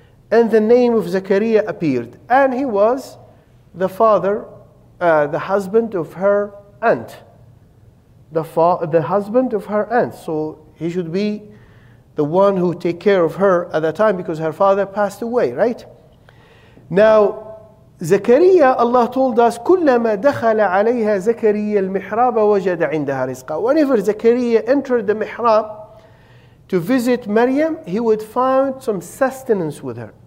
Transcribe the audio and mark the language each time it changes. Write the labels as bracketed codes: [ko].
[en] And the name of Zakariya appeared. And he was the father, the husband of her aunt, the husband of her aunt. So he should be the one who take care of her at that time because her father passed away, right? Now, Zakariya, Allah told us, [ar] كُلَّمَا دَخَلَ عَلَيْهَا زَكَرِيَّ الْمِحْرَابَ وَجَدَ عِنْدَهَا رِزْقًا. [en] Whenever Zakariya entered the mihrab to visit Maryam, he would find some sustenance with her.